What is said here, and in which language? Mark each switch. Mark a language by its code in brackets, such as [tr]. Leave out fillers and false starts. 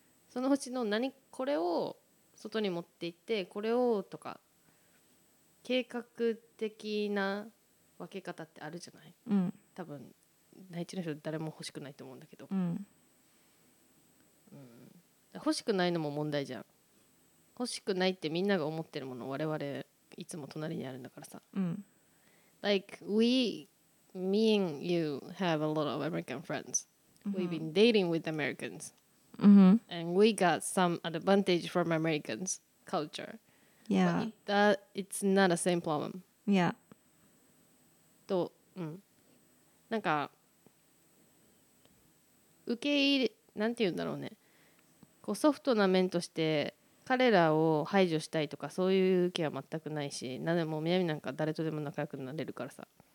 [ja] そのうちの何、これを外に持っていってこれをとか計画的な分け方ってあるじゃない、うん、多分内地の人誰も欲しくないと思うんだけど、うんうん、欲しくないのも問題じゃん、欲しくないってみんなが思ってるもの、我々いつも隣にあるんだからさ、うん、 [en] Like we, me and you have a lot of American friends、mm-hmm. We've been dating with Americans、 mm-hmm. And we got some advantage from Americans culture. Yeah. But that, it's not the same problem. Yeah. [ja] と、うん、なんか受け入れ、なんて言うんだろうね、こうソフトな面として彼らを排除したいとかそういう気は全くないし、なでも南なんか誰とでも仲良くなれるからさ、